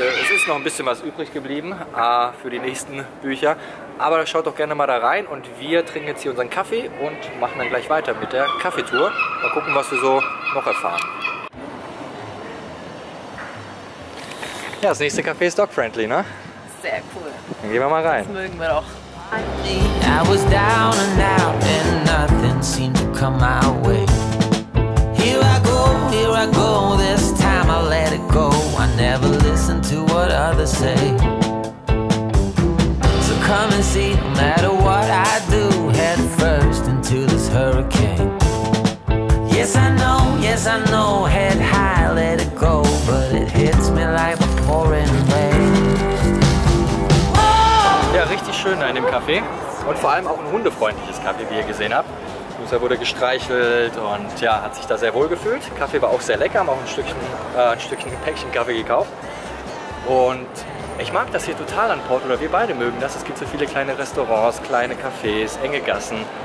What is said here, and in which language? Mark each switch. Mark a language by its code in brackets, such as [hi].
[de] Es ist noch ein bisschen was übrig geblieben für die nächsten Bücher. Aber schaut doch gerne mal da rein und wir trinken jetzt hier unseren Kaffee und machen dann gleich weiter mit der Kaffeetour. Mal gucken, was wir so noch erfahren. Ja, das nächste Café ist dog-friendly, ne? Sehr cool. Dann gehen wir mal rein. Das mögen wir doch. [en] I was down and out and nothing seemed to come my way. Here I go, this time I let it go. I never listen to what others say. So come and see, no matter what I do, head first into this hurricane. Yes I know, head high, let it go. But it hits me like a pouring rain. [de] Ja, richtig schön in dem Café. Und vor allem auch ein hundefreundliches Café, wie ihr gesehen habt. Er wurde gestreichelt und hat sich da sehr wohl gefühlt. Kaffee war auch sehr lecker, haben auch ein Stückchen Päckchen Kaffee gekauft. Und ich mag das hier total an Porto, oder wir beide mögen das. Es gibt so viele kleine Restaurants, kleine Cafés, enge Gassen.